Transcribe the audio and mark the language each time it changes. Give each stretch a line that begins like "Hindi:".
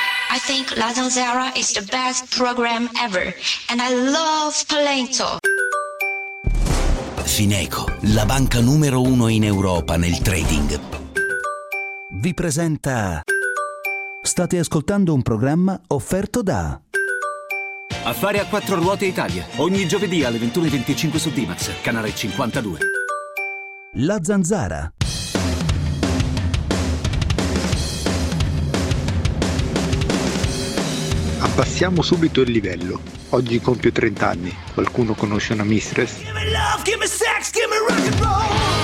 English: I think La Zanzara is the best program ever, and I love Palento.
Italian: Fineco, la banca numero uno in Europa nel trading, vi presenta. State ascoltando un programma offerto da Affari a quattro ruote Italia, ogni giovedì alle 21:25 su Dimax, canale 52. La Zanzara. Abbassiamo subito il livello. Oggi compio 30 anni. Qualcuno conosce una mistress?
English: Give me love, give me sex, give me rock and roll.